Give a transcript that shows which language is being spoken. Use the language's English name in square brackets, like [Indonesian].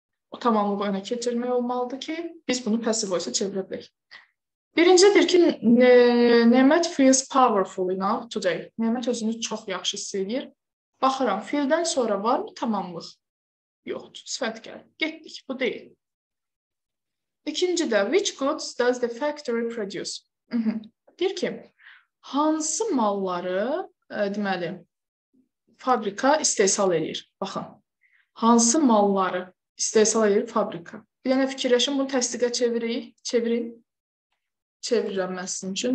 [Azerbaijani] O tamamlığı önə keçirmək olmalıdır ki, biz bunu passive voice-a çevirə bilək. Birincidir ki, Nemət [English] feels powerful enough today. [Azerbaijani] Nemət özünü çox yaxşı hiss edir. Baxıram, fieldən sonra var mı tamamlıq? Yoxdur, sifət gəl. Getdik, bu deyil. İkinci də, [English] which goods does the factory produce? [Azerbaijani] Deyir ki, hansı malları, deməli, fabrika istehsal edir? Baxın, hansı malları istehsal edir fabrika? Bir dənə fikirləşin, bunu təsdiqə çevirik, çevirin. Çevirirəm mən sizin üçün.